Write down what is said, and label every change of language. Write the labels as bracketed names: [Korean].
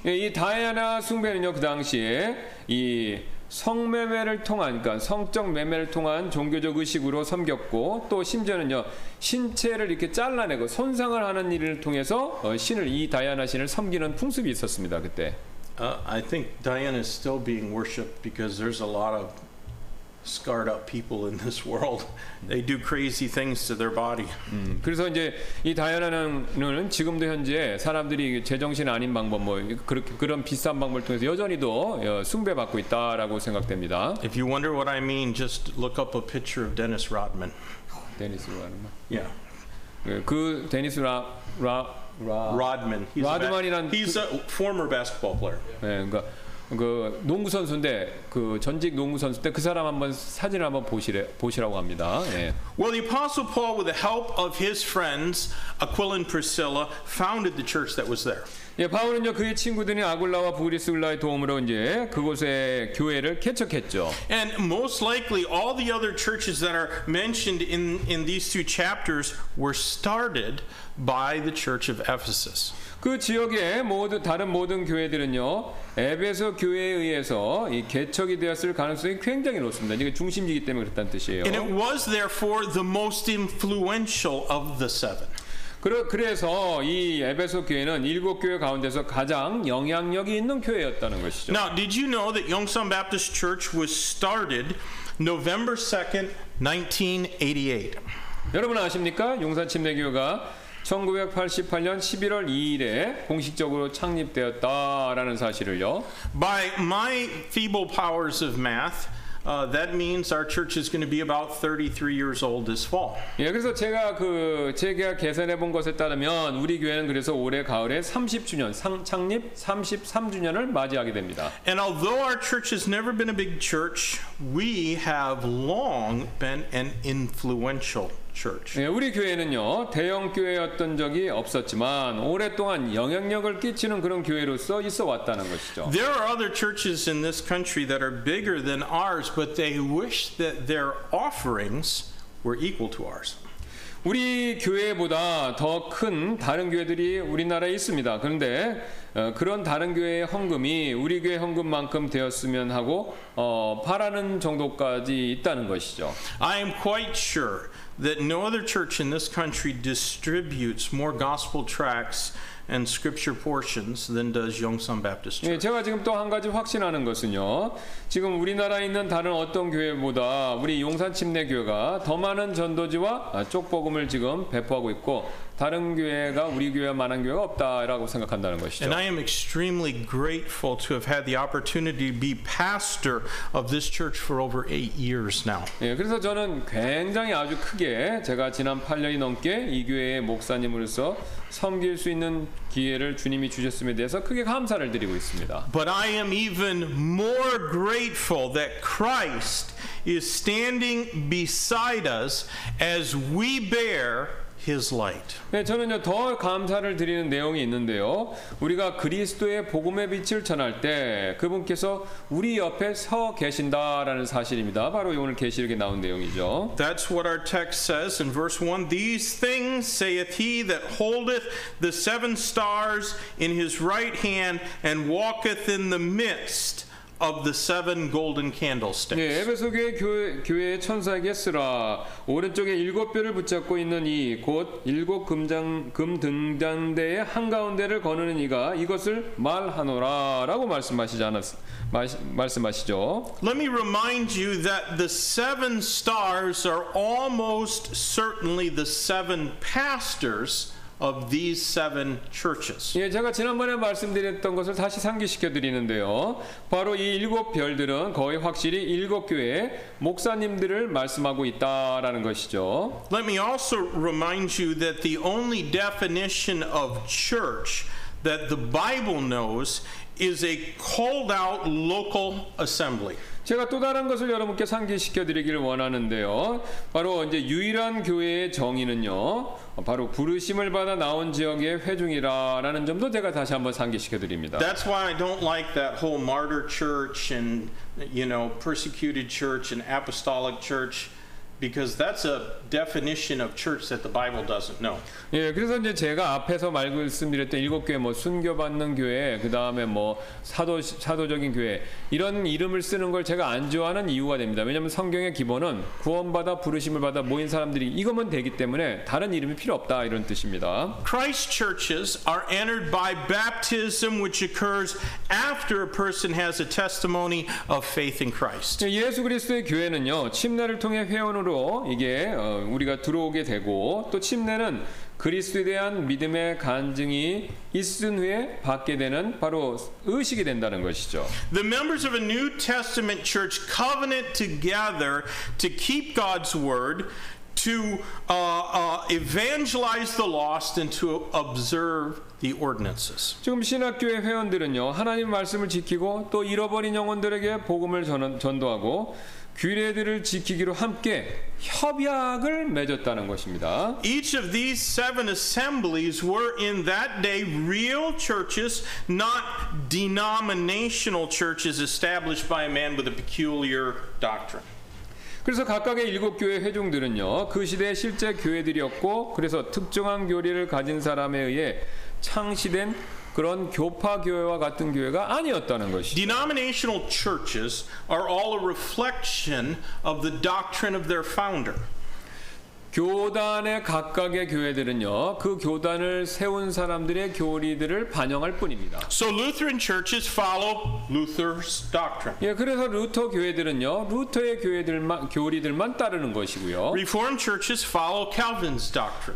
[Korean] 예, 이 다이아나 숭배는요 그 당시에 이 성매매를 통한, 그러니까 성적 매매를 통한 종교적 의식으로 섬겼고 또 심지어는요 신체를 이렇게 잘라내고 손상을 하는 일을 통해서 신을 이 다이아나 신을 섬기는 풍습이 있었습니다 그때. [English] I think Diana is still being worshipped because there's a lot of scarred up people in this world. They do crazy things to their body. [Korean] 그래서 이제 이 다이아나는 지금도 현재 사람들이 제정신 아닌 방법 뭐 그렇게 그런 비싼 방법을 통해서 여전히도 숭배받고 있다라고 생각됩니다. [English] If you wonder what I mean, just look up a picture of Dennis Rodman. Dennis Rodman. Yeah. [Korean] 그 데니스 [English] Rodman. [Korean] Rodman이란 [English] he's a former basketball player. [Korean] 네, 그러니까 그 농구 선수인데 그 전직 농구 선수 때 그 사람 한번 사진을 한번 보시라고 합니다. 예. [English] Well, the Apostle Paul, with the help of his friends Aquila and Priscilla, founded the church that was there. [Korean] 예, 바울은요 그의 친구들이 아굴라와 브리스길라의 도움으로 이제 그곳에 교회를 개척했죠. [English] And most likely all the other churches that are mentioned in these two chapters were started by the church of Ephesus. [Korean] 그 지역의 모든 다른 모든 교회들은요 에베소 교회에 의해서 이 개척이 되었을 가능성이 굉장히 높습니다. 이게 중심지이기 때문에 그렇다는 뜻이에요. [English] And it was therefore the most influential of the seven. [Korean] 그래서 이 에베소 교회는 일곱 교회 가운데서 가장 영향력이 있는 교회였다는 것이죠. [English] Now, did you know that Yongsan Baptist Church was started November 2nd, 1988? [Korean] 여러분 아십니까? 용산 침례교회가 1988년 11월 2일에 공식적으로 창립되었다라는 사실을요. [English] By my feeble powers of math, that means our church is going to be about 33 years old this fall. [Korean] 예, 그래서 제가 계산해 본 것에 따르면 우리 교회는 그래서 올해 가을에 창립 33주년을 맞이하게 됩니다. [English] And although our church has never been a big church, we have long been an influential church. [Korean] 예, 우리 교회는요 대형 교회였던 적이 없었지만 오랫동안 영향력을 끼치는 그런 교회로서 있어왔다는 것이죠. [English] There are other churches in this country that are bigger than ours, but they wish that their offerings were equal to ours. [Korean] 우리 교회보다 더 큰 다른 교회들이 우리나라에 있습니다. 그런데 그런 다른 교회의 헌금이 우리 교회 헌금만큼 되었으면 하고 바라는 정도까지 있다는 것이죠. [English] I am quite sure that no other church in this country distributes more gospel tracts and scripture portions than does Yongsan Baptist Church. [Korean] 예, 제가 지금 또 한 가지 확신하는 것은요. 지금 우리나라에 있는 다른 어떤 교회보다 우리 용산 침례 교회가 더 많은 전도지와 쪽복음을 지금 배포하고 있고 다른 교회가 우리 교회와 만한 교회가 없다라고 생각한다는 것이죠. [English] And I am extremely grateful to have had the opportunity to be pastor of this church for over 8 years now. [Korean] 예, 그래서 저는 굉장히 아주 크게 제가 지난 8년이 넘게 이 교회의 목사님으로서 섬길 수 있는 기회를 주님이 주셨음에 대해서 크게 감사를 드리고 있습니다. [English] But I am even more grateful that Christ is standing beside us as we bear His light. [Korean] 네, 저는요 더 감사를 드리는 내용이 있는데요. 우리가 그리스도의 복음의 빛을 전할 때 그분께서 우리 옆에 서 계신다라는 사실입니다. 바로 오늘 계시록에 나온 내용이죠. [English] That's what our text says in verse 1. These things saith he that holdeth the seven stars in his right hand and walketh in the midst of the seven golden candlesticks. [Korean] 네, 에베소 교회의 천사에게 쓰라. 오른쪽에 일곱 별을 붙잡고 있는 이 곧 일곱 금 등잔대의 한 가운데를 거느는 이가 이것을 말하노라라고 말씀하시죠. [English] Let me remind you that the seven stars are almost certainly the seven pastors of these seven churches. [Korean] 예, 제가 지난번에 말씀드렸던 것을 다시 상기시켜 드리는데요. 바로 이 일곱 별들은 거의 확실히 일곱 교회의 목사님들을 말씀하고 있다라는 것이죠. [English] Let me also remind you that the only definition of church that the Bible knows is a called out local assembly. [Korean] 제가 또 다른 것을 여러분께 상기시켜 드리기를 원하는데요. 바로 이제 유일한 교회의 정의는요. 바로 부르심을 받아 나온 지역의 회중이라라는 점도 제가 다시 한번 상기시켜 드립니다. [English] That's why I don't like that whole martyr church and you know persecuted church and apostolic church. Because that's a definition of church that the Bible doesn't know. [Korean] 예, 그래서 이제 제가 앞에서 말씀드렸던 일곱 교회, 뭐 순교받는 교회, 그 다음에 뭐 사도적인 교회 이런 이름을 쓰는 걸 제가 안 좋아하는 이유가 됩니다. 왜냐하면 성경의 기본은 구원받아 부르심을 받아 모인 사람들이 이것만 되기 때문에 다른 이름이 필요 없다 이런 뜻입니다. [English] Christ churches are entered by baptism, which occurs after a person has a testimony of faith in Christ. [Korean] 예, 예수 그리스도의 교회는요 침례를 통해 회원 으로 이게 우리가 들어오게 되고 또 침례는 그리스도에 대한 믿음의 간증이 있은 후에 받게 되는 바로 의식이 된다는 것이죠. [English] The members of a New Testament church covenant together to keep God's word, to evangelize the lost and to observe the ordinances. [Korean] 지금 신학교의 회원들은요. 하나님 말씀을 지키고 또 잃어버린 영혼들에게 복음을 전도하고 규례들을 지키기로 함께 협약을 맺었다는 것입니다. [English] Each of these seven assemblies were in that day real churches, not denominational churches established by a man with a peculiar doctrine. [Korean] 그래서 각각의 일곱 교회 회중들은요, 그 시대의 실제 교회들이었고, 그래서 특정한 교리를 가진 사람에 의해 창시된 그런 교파 교회와 같은 교회가 아니었다는 것이죠. [English] Denominational churches are all a reflection of the doctrine of their founder. [Korean] 교단의 각각의 교회들은요, 그 교단을 세운 사람들의 교리들을 반영할 뿐입니다. [English] So Lutheran churches follow Luther's doctrine. [Korean] 예, 그래서 루터 교회들은요, 루터의 교리들만 따르는 것이고요. [English] Reformed churches follow Calvin's doctrine.